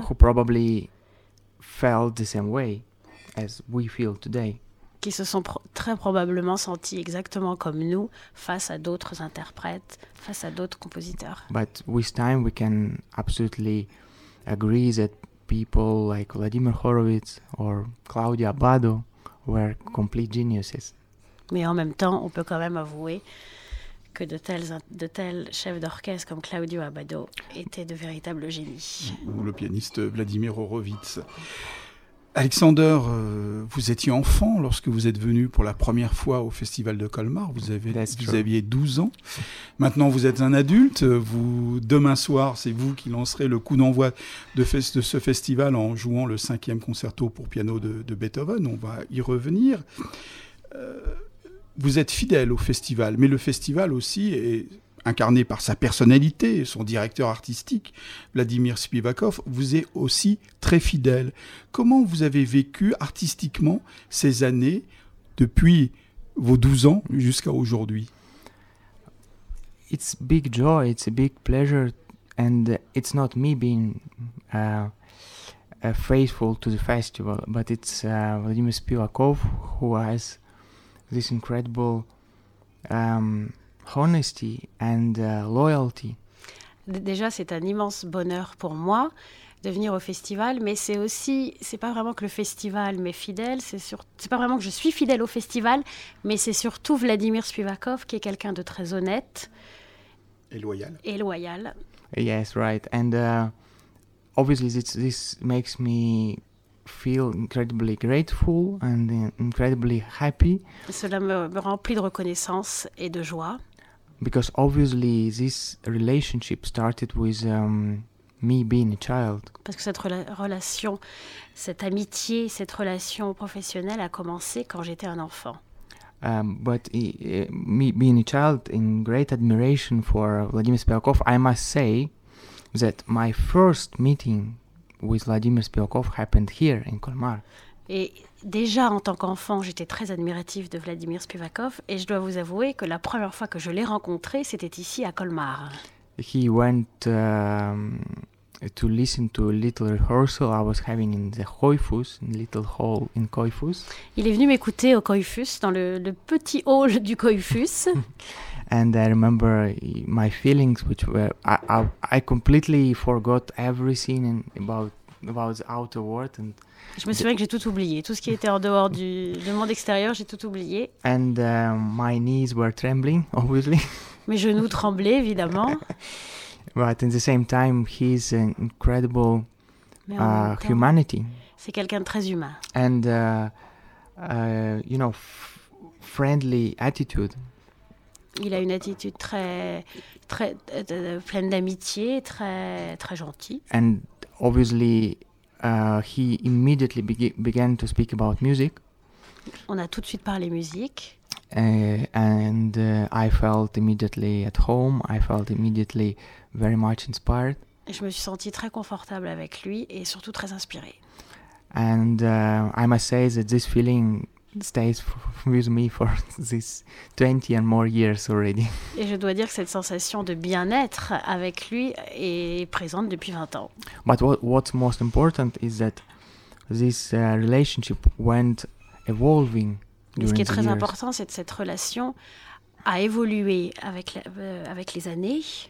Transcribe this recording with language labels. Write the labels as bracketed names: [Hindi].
[English] who probably felt the same way as we feel today. [French] Qui se sont très probablement sentis exactement comme nous face à d'autres interprètes, face à d'autres compositeurs. [English] But with time, we can absolutely agree that people like Vladimir Horowitz or Claudio Abbado were complete geniuses. [French] Mais en même temps, on peut quand même avouer que de tels chefs d'orchestre comme Claudio Abbado étaient de véritables génies. Ou le pianiste Vladimir Horowitz. Alexander, vous étiez enfant lorsque vous êtes venu pour la première fois au Festival de Colmar. Vous aviez 12 ans. Maintenant, vous êtes un adulte. Demain soir, c'est vous qui lancerez le coup d'envoi de ce festival en jouant le 5e concerto pour piano de Beethoven. On va y revenir. Vous êtes fidèle au festival, mais le festival aussi est incarné par sa personnalité, son directeur artistique, Vladimir Spivakov, vous est aussi très fidèle. Comment vous avez vécu artistiquement ces années depuis vos 12 ans jusqu'à aujourd'hui? [English] It's a big joy, it's a big pleasure And it's not me being faithful to the festival, but it's Vladimir Spivakov who has this incredible honesty and loyalty. [French] Déjà, c'est un immense bonheur pour moi de venir au festival, mais c'est aussi, c'est pas vraiment que le festival m'est fidèle, c'est pas vraiment que je suis fidèle au festival, mais c'est surtout Vladimir Spivakov qui est quelqu'un de très honnête. Et loyal. Et loyal. [English] Yes, right. And obviously this makes me feel incredibly grateful and incredibly happy. [French] Cela me remplit de reconnaissance et de joie. [English] Because obviously this relationship started with me being a child. [French] Parce que cette relation, cette amitié, cette relation professionnelle a commencé quand j'étais un enfant. [English] But me being a child in great admiration for Vladimir Spivakov, I must say that my first meeting with Vladimir Spivakov happened here in Colmar. [French] Et déjà en tant qu'enfant, j'étais très admiratif de Vladimir Spivakov et je dois vous avouer que la première fois que je l'ai rencontré, c'était ici à Colmar. [English] He went to listen to a little rehearsal I was having in the Koifus, in the little hall in Koifus. [French] Il est venu m'écouter au Koifus, dans le petit hall du Koifus. [English] And I remember my feelings, which were I completely forgot everything about the outer world. And [French] je me souviens que j'ai tout oublié, tout ce qui était en dehors du monde extérieur, j'ai tout oublié. [English] And my knees were trembling, obviously. [French] Mes genoux tremblaient évidemment. [English] But in the same time, he's an incredible humanity. [French] C'est quelqu'un de très humain. [English] And you know, friendly attitude. [French] Il a une attitude très très pleine d'amitié, très très gentil. [English] And obviously, he immediately began to speak about music. [French] On a tout de suite parlé musique. [English] I felt immediately at home. I felt immediately very much inspired. [French] Et je me suis sentie très confortable avec lui et surtout très inspirée. [English] And I must say that this feeling stays with me for these 20 and more years already. [French] Et je dois dire que cette sensation de bien-être avec lui est présente depuis 20 ans. [English] But what's most important is that this relationship went evolving. [French] Ce qui est très [English] years. [French] Important, c'est que cette relation a évolué avec avec les années.